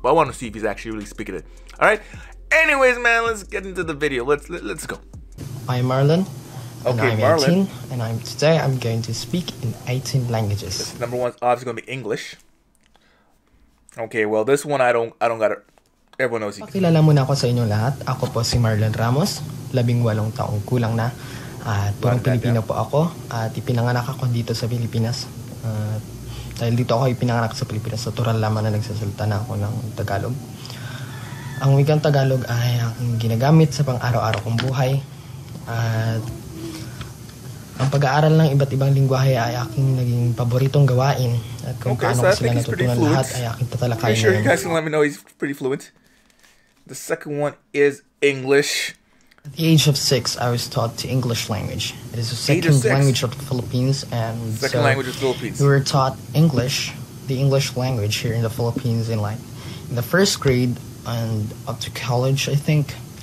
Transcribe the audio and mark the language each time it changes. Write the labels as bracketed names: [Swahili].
[English] But I want to see if he's actually really speaking it. All right. Anyways, man, let's get into the video. Let's go. I'm Marlon. Okay, I'm Marlon. 18, and today I'm going to speak in 18 languages. This number one is obviously going to be English. Okay, well, this one I don't got it. Everyone knows. [Filipino] Pakilala muna ako sa inyo lahat. Ako po si Marlon Ramos, 18 taong kulang na. At purong Pilipino po ako. At ipinanganak ako dito sa Pilipinas. Dahil dito ako ipinanganak sa Pilipinas, natural lamang na nagsasalita na ako ng Tagalog. Ang wikang Tagalog ay ang ginagamit sa pang-araw-araw kong buhay. At ang pag-aaral ng iba't ibang lingwahe ay aking naging paboritong gawain. At kung paano ko sila natutunan lahat ay aking tatalakayin. [English] Are you sure you guys can let me know he's pretty fluent? The second one is English. At the age of 6, I was taught the English language. It is the second language of the Philippines. And second language of the Philippines. We were taught English, the English language here in the Philippines in the first grade and up to college, I think.